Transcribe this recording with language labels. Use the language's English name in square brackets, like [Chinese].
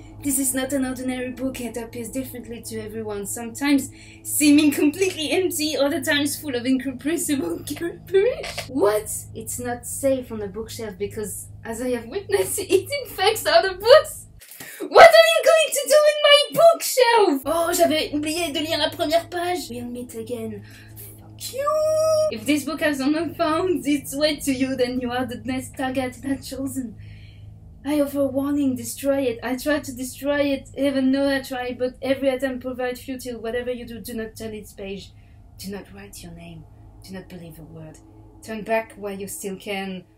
[English] This is not an ordinary book. It appears differently to everyone, sometimes seeming completely empty, other times full of incomprehensible gibberish. What? It's not safe on the bookshelf because, as I have witnessed, it infects other books. What are you going to do with my bookshelf? [French] Oh, j'avais oublié de lire la première page. [English] We'll meet again. Fuck you! If this book has not found its way to you, then you are the next target it has chosen. I offer warning, destroy it. I try to destroy it, even though I try, but every attempt proved futile. Whatever you do, do not turn its page. Do not write your name. Do not believe a word. Turn back while you still can.